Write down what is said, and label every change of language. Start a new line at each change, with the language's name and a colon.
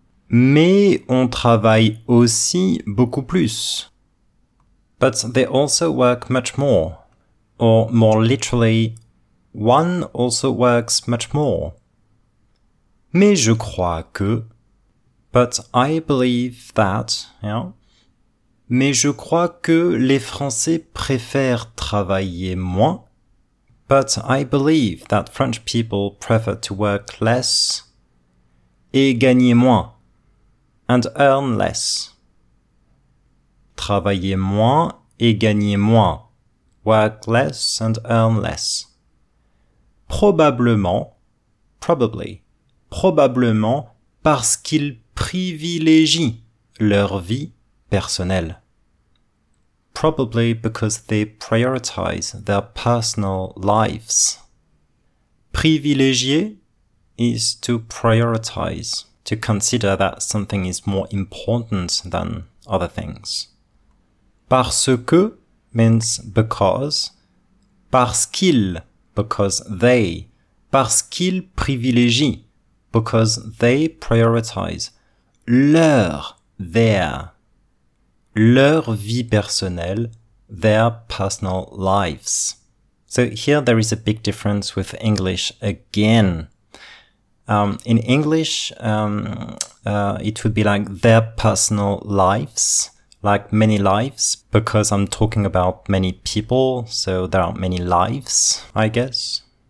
French: Mais on travaille aussi beaucoup plus.
English: But they also work much more. Or more literally, one also works much more.
French: Mais je crois que,
English: but I believe that, yeah.
French: Mais je crois que les Français préfèrent travailler moins.
English: But I believe that French people prefer to work less
French: et gagner moins
English: and earn less.
French: Travailler moins et gagner moins.
English: Work less and earn less.
French: Probablement,
English: probably.
French: Probablement parce qu'ils privilégient leur vie personnelle.
English: Probably because they prioritize their personal lives. Privilégier is to prioritize, to consider that something is more important than other things. Parce que means because.
French: Parce qu'ils,
English: because they.
French: Parce qu'ils privilégient.
English: Because they prioritize
French: leur vie personnelle,
English: their personal lives. So here there is a big difference with English again. In English, it would be like their personal lives, like many lives, because I'm talking about many people, so there are many lives, I guess.